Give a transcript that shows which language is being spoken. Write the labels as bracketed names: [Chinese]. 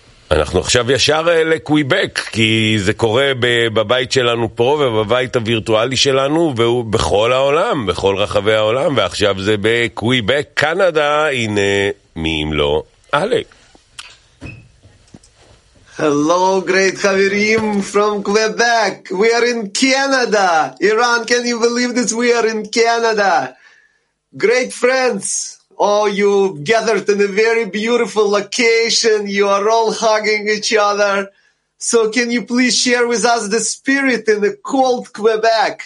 [Hebrew] אנחנו עכשיו ישר לקוויבק, כי זה קורה בבית שלנו פה ובבית הווירטואלי שלנו, והוא בכל העולם, בכל רחבי העולם, ועכשיו זה בקוויבק, קנדה, הנה מי אם לא, אלק. [English] Hello, great [Hebrew] חברים [English] from Quebec. We are in Canada. Iran, can you believe this? We are in Canada. Great friends. Oh, you've gathered in a very beautiful location. You are all hugging each other. So can you please share with us the spirit in the cold Quebec?